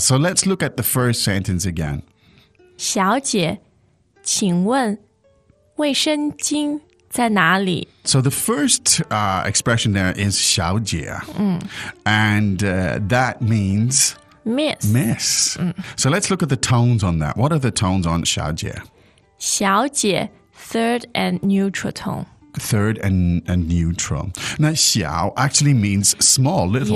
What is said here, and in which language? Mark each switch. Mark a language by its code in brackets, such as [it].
[en] So let's look at the first sentence again. [zh] 小姐, 请问, 卫生巾在哪里? [en] So the first expression there is 小姐, and that means Miss. So let's look at the tones on that. What are the tones on 小姐? 小姐, third and neutral tone. Third and neutral. Now, xiao actually means small, little.